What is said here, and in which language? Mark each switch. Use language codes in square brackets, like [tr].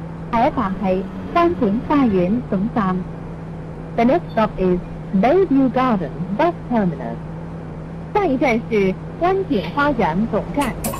[zh] 下一站是山景花园总站。 [en] The next stop is Bayview Garden Bus Terminus. [zh] 下一站是山景花园总站。